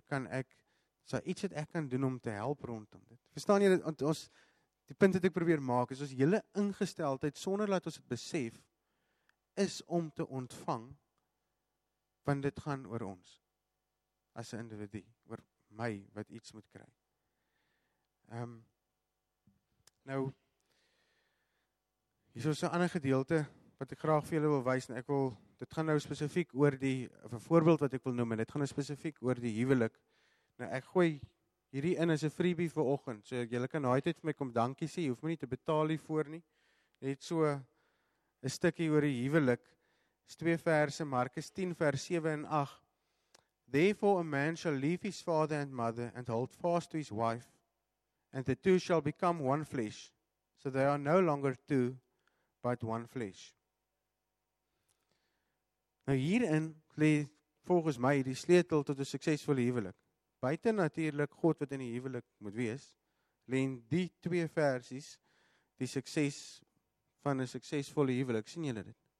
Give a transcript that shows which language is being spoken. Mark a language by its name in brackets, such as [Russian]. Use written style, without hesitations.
[Afrikaans] Kan ek, is daar iets wat ek kan doen om te help rondom dit? Verstaan jy dit? Want ons, die punt wat ek probeer maak, is ons hele ingesteldheid, sonder dat ons het besef, is om te ontvang, want dit gaan oor ons, as 'n individu, oor my, wat iets moet kry. Nou, hier is so 'n ander gedeelte wat ek graag vir julle wil wys, en ek wil, dit gaan nou spesifiek oor die, of 'n voorbeeld wat ek wil noem, en dit gaan nou spesifiek oor die huwelik. Nou, ek gooi hierdie in as 'n freebie vir oggend, so julle kan nou altyd vir my kom dankie sê, jy hoef my nie te betaal hiervoor nie, net so 'n stukkie oor die huwelik. Is 2 verse, Markus 10 vers 7 en 8. [English] Therefore a man shall leave his father and mother and hold fast to his wife, and the two shall become one flesh, so they are no longer two, but one flesh. [Afrikaans] Nou hierin, volgens my, die sleutel tot 'n suksesvolle huwelik. Buiten natuurlik God wat in die huwelik moet wees, len die twee versies, die sukses van 'n suksesvolle huwelik, sien julle dit?